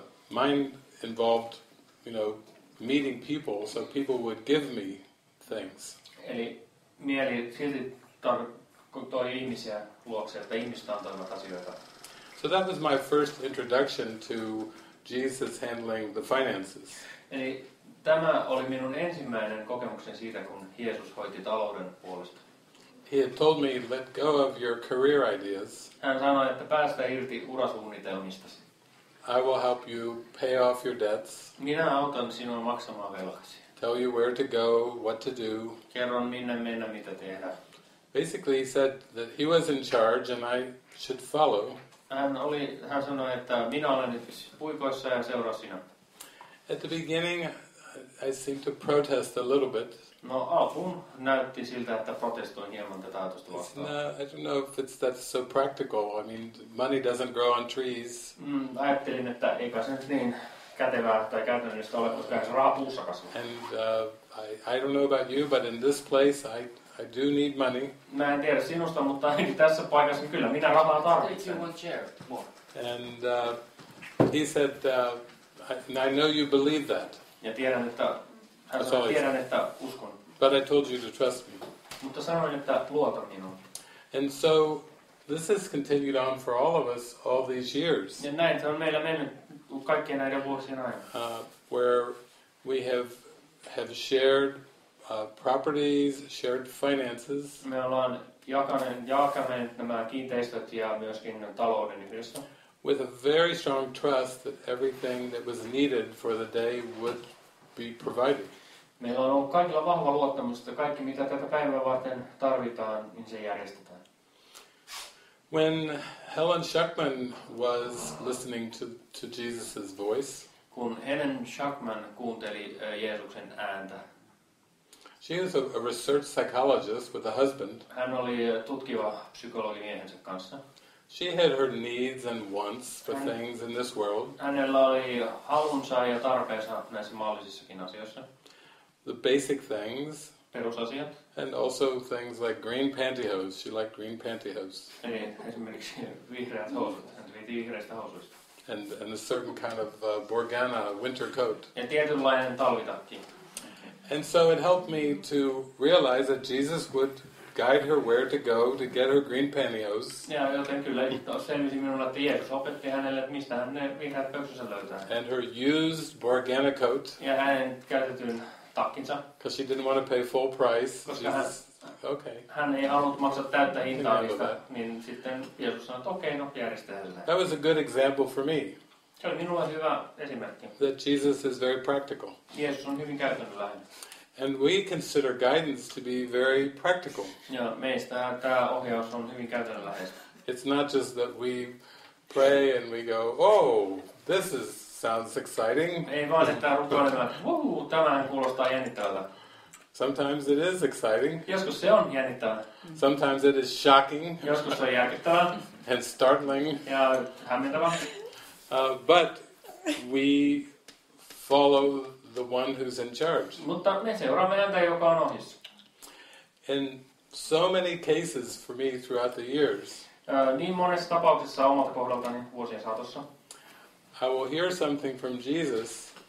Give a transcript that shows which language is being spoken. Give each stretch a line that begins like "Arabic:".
English: Mine involved, you know, meeting people, so people would give me things.
Finnish: Eli mieli silti toi ihmisiä luokse, että ihmiset antoivat asioita.
English: So that was my first introduction to Jesus handling the finances.
Finnish: Eli tämä oli minun ensimmäinen kokemukseni siitä, kun Jeesus hoiti talouden puolesta.
English: He had told me, let go of your career ideas.
Finnish: Hän sanoi, että päästä irti urasuunnitelmistasi.
English: I will help you pay off your debts.
Finnish: Minä autan sinua maksamaan velkasi.
English: Tell you where to go, what to do.
Finnish: Kerron minne mennä, mitä tehdä.
English: Basically he said that he was in charge and I should follow.
Finnish: Hän sanoi, että minä olen nyt puikoissa ja seuraa sinä.
English: At the beginning I seemed to protest a little bit.
Finnish: No alkuun näytti siltä, että protestoin hieman tätä ajatusta vastaan.
English: I don't know if it's that so practical. I mean, money doesn't grow on trees.
Finnish: Ajattelin, että eipä se nyt niin kätevää tai käytännöllistä ole, koska se raha puussa kasvaa.
English: And I don't know about you, but in this place I do need money.
Finnish: Mä en tiedä sinusta, mutta ainakin tässä paikassa kyllä minä rahaa tarvitsen.
English: And he said, I know you believe that.
Finnish: Ja tiedän, että hän sanoi, tiedän, että uskon.
English: But I told you to trust me.
Finnish: Mutta sanoin, että luota minuun.
English: And so this has continued on for all of us all these years.
Finnish: Ja näin se on meillä mennyt kaikkien näiden vuosien ajan.
English: Where we have shared properties, shared finances.
Finnish: Me ollaan jakaneet nämä kiinteistöt ja myöskin talouden yhdessä.
English: With a very strong trust that everything that was needed for the day would be provided.
Finnish: Meillä on ollut kaikilla vahva luottamus, että kaikki mitä tätä päivää varten tarvitaan, niin se järjestetään.
English: When Helen Schuckman was listening to Jesus's voice,
Finnish: kun Helen Schuckman kuunteli Jeesuksen ääntä,
English: she is a research psychologist with a husband.
Finnish: Hän oli tutkiva psykologi miehensä kanssa.
English: She had her needs and wants for things in this world.
Finnish: Hänellä oli halunsa ja tarpeensa näissä maallisissakin asioissa.
English: The basic things.
Finnish: Perusasiat.
English: And also things like green pantyhose. She liked green pantyhose.
Finnish: Esimerkiksi vihreät housut. Hän piti vihreistä housuista.
English: And a certain kind of Borgana winter coat.
Finnish: Ja tietynlainen talvitakki.
English: And so it helped me to realize that Jesus would guide her where to go to get her green pantyhose.
Finnish: Yeah, joten kyllä selvisi minulle, että Jeesus opetti hänelle, että mistä hän ne vihreät pöksynsä löytää.
English: And her used Borgana coat.
Finnish: Ja hänen käytetyn takkinsa.
English: Because she didn't want to pay full price.
Finnish: Hän ei halunnut maksaa täyttä hintaa, niin sitten Jeesus sanoi, että okei, no järjestää.
English: That was a good example for me.
Finnish: Se on minulla hyvä esimerkki.
English: That Jesus is very practical.
Finnish: Jeesus on hyvin käytännönläheinen.
English: And we consider guidance to be very practical.
Finnish: Ja meistä tämä ohjaus on hyvin käytännönläheistä.
English: It's not just that we pray and we go, oh, this is sounds exciting.
Finnish: Ei vaan että rukoilemme, wow, tämä kuulostaa jännittävältä.
English: Sometimes it is exciting.
Finnish: Joskus se on jännittävää.
English: Sometimes it is shocking.
Finnish: Joskus se on järkyttävää.
English: And startling.
Finnish: Ja hämmentävää.
English: But we follow the one who's in charge.
Finnish: Mutta me seuraamme häntä, joka on ohjissa.
English: In so many cases for me throughout the years.
Finnish: Niin monessa tapauksessa omalta kohdaltani vuosien saatossa.
English: I will hear something from Jesus.